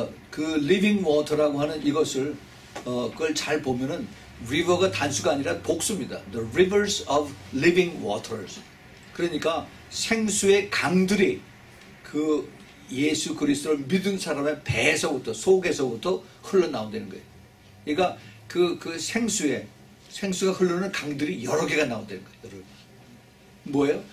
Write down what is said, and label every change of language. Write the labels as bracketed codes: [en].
[ko] 그 [en] living water [ko] 라고 하는 이것을 그걸 잘 보면은 river가 단수가 아니라 복수입니다. [en] The rivers of living waters. [ko] 그러니까 생수의 강들이 그 예수 그리스도를 믿은 사람의 배에서부터 속에서부터 흘러나온다는 거예요. 그러니까 그 생수의 생수가 흐르는 강들이 여러 개가 나온다는 거예요. 여러 개. 뭐예요?